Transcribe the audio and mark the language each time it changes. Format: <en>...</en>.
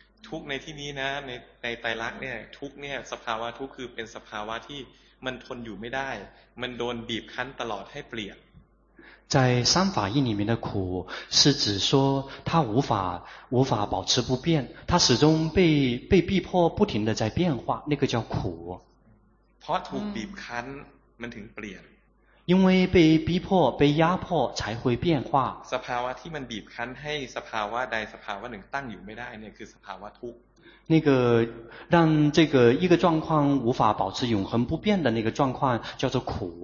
<th>ทุกในที่นี้นะในไตรลักษณ์เนี่ยทุกเนี่ยสภาวะทุกคือเป็นสภาวะที่มันทนอยู่ไม่ได้มันโดนบีบคั้นตลอดให้เปลี่ยน</th> <zh>在三法印里面的苦是指说它无法保持不变它始终被逼迫不停的在变化那个叫苦</zh> <th>เพราะถูกบีบคั้นมันถึงเปลี่ยน</th> <zh>因为被逼迫被压迫才会变化</zh> <th>สภาวะที่มันบีบคั้นให้สภาวะใดสภาวะหนึ่งตั้งอยู่ไม่ได้เนี่ยคือสภาวะทุกข์</th> <zh>那个让这个一个状况无法保持永恒不变的那个状况叫做苦</zh>